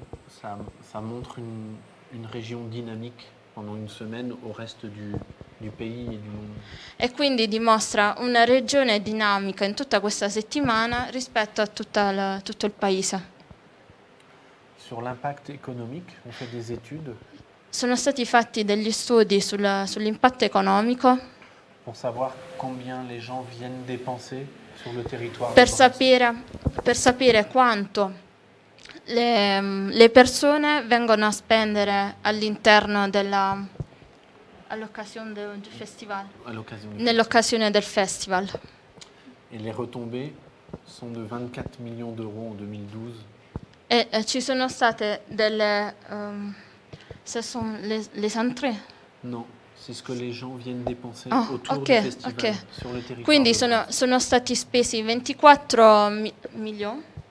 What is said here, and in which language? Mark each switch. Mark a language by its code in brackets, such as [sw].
[fr] Ça montre une région dynamique pendant une semaine au reste du pays et du monde. [it] E quindi dimostra una regione dinamica in tutta questa settimana rispetto a tutto il paese. [fr] Sur l'impact économique, on fait des études. [it] Sono stati fatti degli studi sull'impatto economico. [fr] Pour savoir combien les gens viennent dépenser sur le territoire. [it] Per sapere quanto. Le persone vengono a spendere all'interno all'occasione del festival. Nell'occasione del festival. E le retombées sono di 24 milioni d'euro en 2012. E ci sono state delle. [fr] Ce sont les entrées? Non, c'est ce que les gens viennent dépenser autour du festival. Okay. Sur le territoire. [it] Quindi sono stati spesi 24 milioni.